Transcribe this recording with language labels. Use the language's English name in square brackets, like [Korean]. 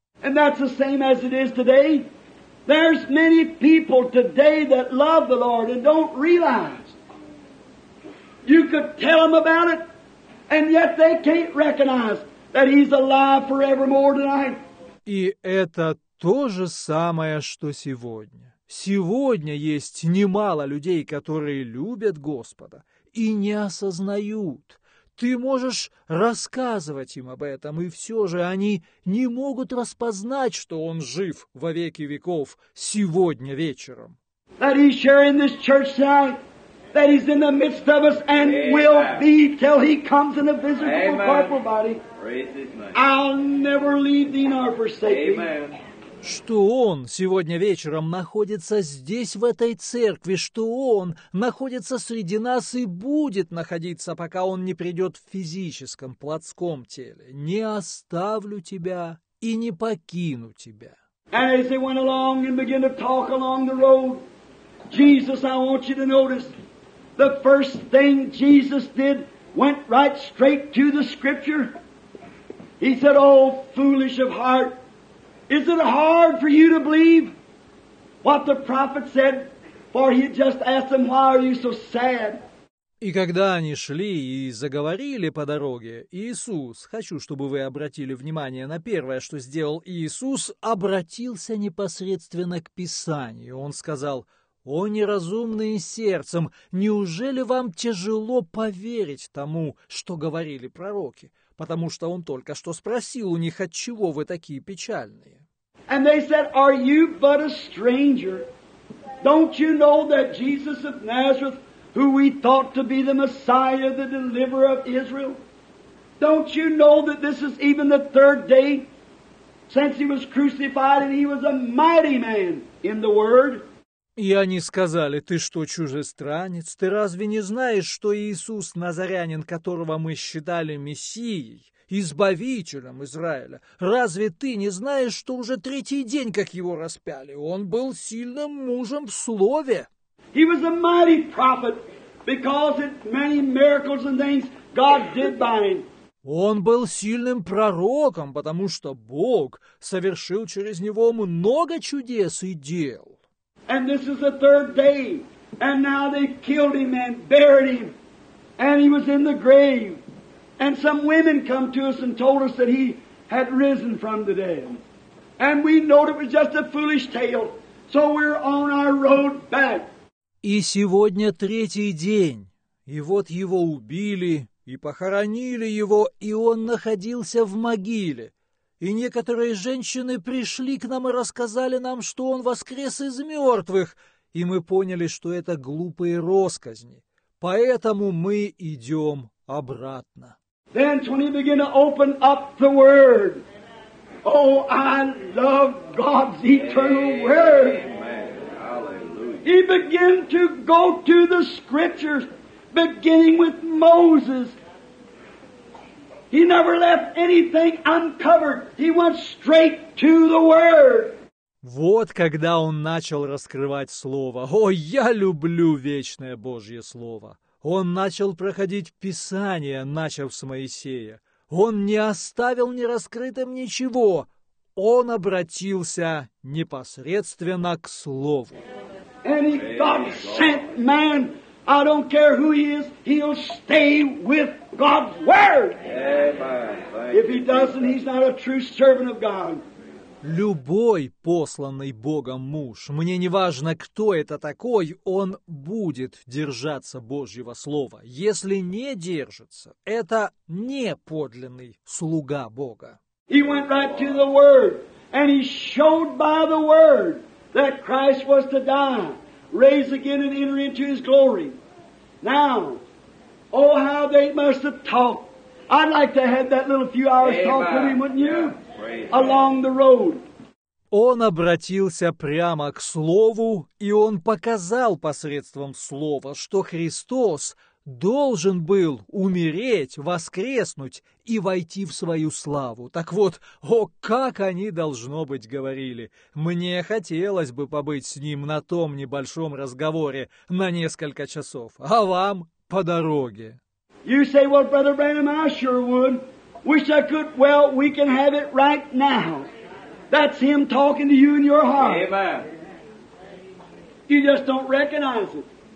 [English] And that's the same as it is today. There's many people today that love the Lord and don't realize. You could tell them about it, and yet they can't recognize that He's alive forevermore tonight. [Russian] И это то же самое, что сегодня. Сегодня есть немало людей, которые любят Господа и не осознают. Ты можешь рассказывать им об этом, и все же они не могут распознать, что Он жив во веки веков сегодня вечером. [English] That He's here in this church tonight, that He's in the midst of us and Amen. Will be till He comes in a visible Amen. Corporal body. I'll never leave thee nor forsake thee. [Russian] Что Он сегодня вечером находится здесь, в этой церкви, что Он находится среди нас и будет находиться, пока Он не придет в физическом, плотском теле. Не оставлю тебя и не покину тебя. [English] And as they went along and began to talk along the road, Jesus, I want you to notice, the first thing Jesus did went right straight to the Scripture. He said, oh, foolish of heart, is it hard for you to believe what the prophet said? For he just asked them, why are you so sad? [Russian] И когда они шли и заговорили по дороге, Иисус, хочу, чтобы вы обратили внимание на первое, что сделал Иисус, обратился непосредственно к Писанию. Он сказал, о неразумные сердцем, неужели вам тяжело поверить тому, что говорили пророки? Потому что он только что спросил у них, отчего вы такие печальные. [English] And they said, are you but a stranger? Don't you know that Jesus of Nazareth, who we thought to be the Messiah, the deliverer of Israel? Don't you know that this is even the third day since he was crucified and he was a mighty man in the word? [Russian] И они сказали, ты что, чужестранец? Ты разве не знаешь, что Иисус Назарянин, которого мы считали Мессией, Избавителем Израиля. Разве ты не знаешь, что уже третий день, как его распяли? Он был сильным мужем в слове. [English] He was a mighty prophet because of many miracles and things God did by him. [Russian] Он был сильным пророком, потому что Бог совершил через него много чудес и дел. [English] And this is the third day, and now they killed him and buried him, and he was in the grave. And some women come to us and told us that he had risen from the dead. And we know it was just a foolish tale, so we're on our road back. [Russian] И сегодня третий день, и вот его убили, и похоронили его, и он находился в могиле. И некоторые женщины пришли к нам и рассказали нам, что он воскрес из мертвых, и мы поняли, что это глупые россказни. Поэтому мы идем обратно. [English] Then when he began to open up the Word, oh, I love God's eternal Word. He began to go to the Scriptures, beginning with Moses. He never left anything uncovered. He went straight to the Word. [Russian] Вот когда он начал раскрывать Слово. О, я люблю вечное Божье Слово. Он начал проходить Писание, начав с Моисея. Он не оставил нераскрытым ничего. Он обратился непосредственно к Слову. [English] And he God sent man. I don't care who he is, he'll stay with God's Word. If he doesn't, he's not a true servant of God. [Russian] Любой посланный Богом муж, мне не важно, кто это такой, он будет держаться Божьего Слова. Если не держится, это не подлинный слуга Бога. [English] He went right to the Word, and he showed by the Word that Christ was to die, raise again and enter into his glory. Now, oh, how they must have talked. I'd like to have that little few hours Amen. Talk with him, wouldn't you? Yeah. Along the road. [Russian] Он обратился прямо к Слову, и он показал посредством Слова, что Христос должен был умереть, воскреснуть и войти в свою славу. Так вот, о, как они, должно быть, говорили! Мне хотелось бы побыть с ним на том небольшом разговоре на несколько часов, а вам по дороге. [English] You say, well, Brother Branham, I sure would. Wish I could, well, we can have it right now. That's him talking to you in your heart. Amen. You just don't recognize it.